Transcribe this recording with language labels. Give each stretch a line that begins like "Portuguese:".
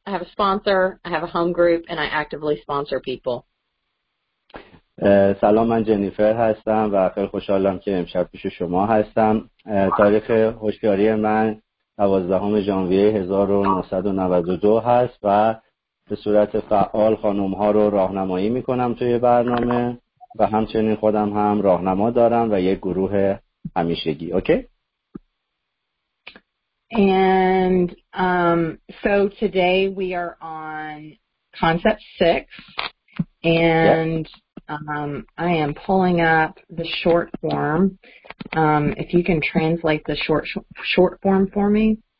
English: I have a sponsor, I have a home group, and I actively sponsor people.
Persian: سلام، من جنیفر هستم و خیلی خوشحالم که امشب پیش شما هستم. تاریخ هوشیاری من 12 ژانویه 1992 هست و به صورت فعال خانم ها رو راهنمایی می کنم توی برنامه و همچنین خودم هم راهنما دارم و یک گروه همیشگی. اوکی.
English: And so today we are on concept 6 and I am pulling up the short form. If you can translate the short form for me.